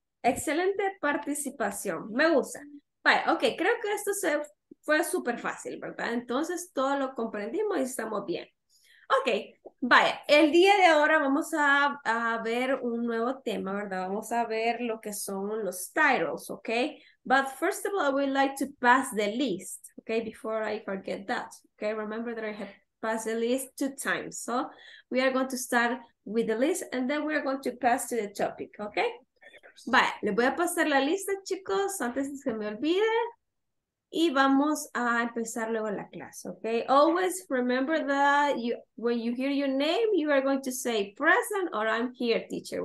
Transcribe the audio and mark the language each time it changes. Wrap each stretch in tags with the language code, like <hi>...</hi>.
<es>Excelente participación. Me gusta. Vale, okay, creo que esto fue súper fácil, ¿verdad? Entonces, todo lo comprendimos y estamos bien. Okay, vaya. El día de ahora vamos a ver un nuevo tema, ¿verdad? Vamos a ver lo que son los titles, okay?</es> <en>But first of all, I would like to pass the list, okay? Before I forget that, okay? Remember that I have pass the list 2 times. So we are going to start with the list and then we are going to pass to the topic, okay?</en> <es>Vale, le voy a pasar la lista, chicos, antes de que me olvide. Y vamos a empezar luego la clase, okay?</es> <en>Always remember that when you hear your name, you are going to say present or I'm here, teacher.</en>